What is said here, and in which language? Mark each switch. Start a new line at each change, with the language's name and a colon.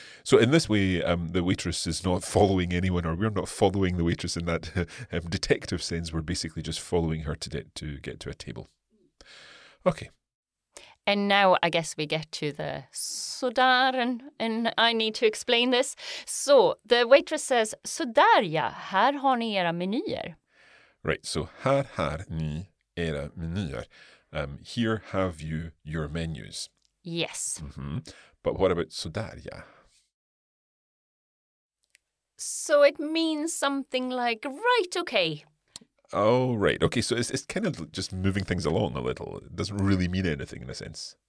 English: So in this way, the waitress is not following anyone, or we're not following the waitress in that detective sense. We're basically just following her to get to a table. Okay. And now I guess we get to the sådär, and I need to explain this. So the waitress says,
Swedish: sådär ja, här har ni era menyer.
English: Right, so
Swedish: här har ni era menyer.
English: Here have you your menus. Yes. Mm-hmm. But what about
Swedish: sådär ja?
English: So it means something like, right, okay. Oh, right. Okay, so it's kind of just moving things along a little. It doesn't really mean anything in a sense.